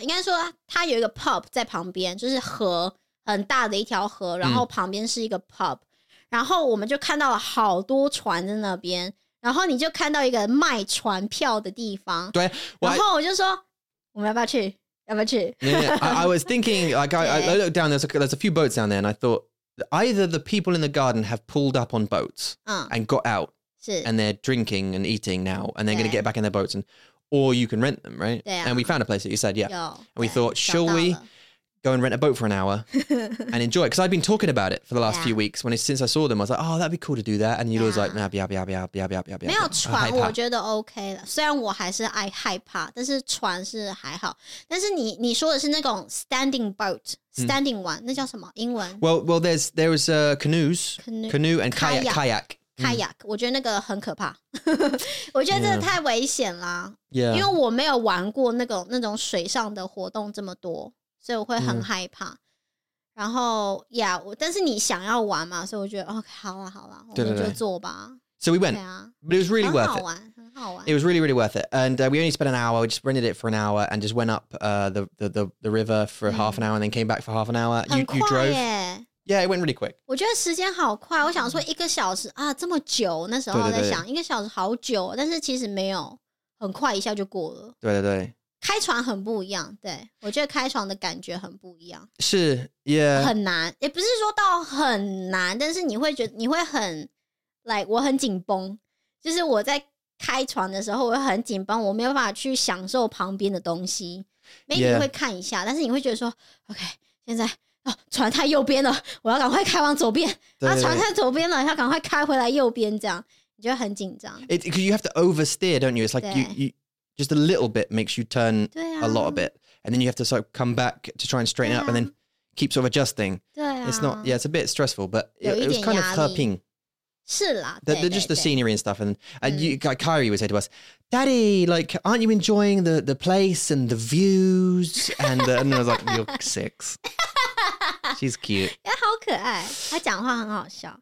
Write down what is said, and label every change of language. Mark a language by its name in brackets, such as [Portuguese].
[Chinese] 应该说它有一个 pub 在旁边就是河很大的一条河然后旁边是一个 pub、嗯、然后我们就看到了好多船在那边然后你就看到一个卖船票的地方对然后我就说我们要不要去要不要去 [English] yeah, yeah. I was thinking like I looked down there's a few boats down there and I thought either the people in the garden have pulled up on boats、嗯、 and got out [Chinese] 是 [English] and they're drinking and eating now and they're going to get back in their boats and, or you can rent them right [Chinese] 对、啊、 [English] and we found a place that you said yeah [Chinese] 有 [English] and we thought shall we go and rent a boat for an hour and enjoy it. Because I've been talking about it for the last、 yeah. few weeks when it, since I saw them. I was like, oh, that'd be cool to do that. And you're、 yeah. always like, yeah, yeah, yeah, yeah, yeah, yeah, yeah, yeah, yeah. [Chinese] 没有船我觉得 OK 了。虽然我还是爱害怕但是船是还好。但是你说的是那种 [English] standing boat, [Chinese] standing、mm. one, 那叫什么英文 Well, there's canoes, canoe and kayak. Kayak,、mm. 我觉得那个很可怕。我觉得真的太危险啦。 Yeah. 因为我没有玩过那种水上的活动这么多。所以我会很害怕、嗯、然后 yeah 但是你想要玩嘛所以我觉得 OK 好啦好啦对对对我们就做吧 [English] So we went、 okay 啊、 But it was really worth it [Chinese] 很好玩很好玩 [English] It was really really worth it And、we only spent an hour We just rented it for an hour And just went up、the river for、嗯、half an hour And then came back for half an hour you drove Yeah it went really quick [Chinese] 我觉得时间好快我想说一个小时啊这么久那时候在想对对对一个小时好久但是其实没有很快一下就过了对对对开船很不一样对我觉得开船的感觉很不一样是也、yeah. 很难也不是说到很难但是你会觉得你会很 like 我很紧绷就是我在开船的时候我会很紧绷我没有办法去享受旁边的东西 maybe、 [English] yeah. [Chinese] 你会看一下但是你会觉得说 OK 现在、啊、船太右边了我要赶快开往左边啊船太左边了要赶快开回来右边这样你就很紧张 [English] Because you have to oversteer don't you it's like you just a little bit makes you turn、啊、 a lot of it. And then you have to sort of come back to try and straighten、啊、 up and then keep sort of adjusting. [Chinese] 对 [English] It's not, yeah, it's a bit stressful, but it was kind of herping. [Chinese] 是啦, [English] the, just the scenery and stuff. And you, Kyrie would say to us, Daddy, like, aren't you enjoying the place and the views? And, the, and I was like, you're six. She's cute. [Chinese] 她好可爱, 她讲话很好笑。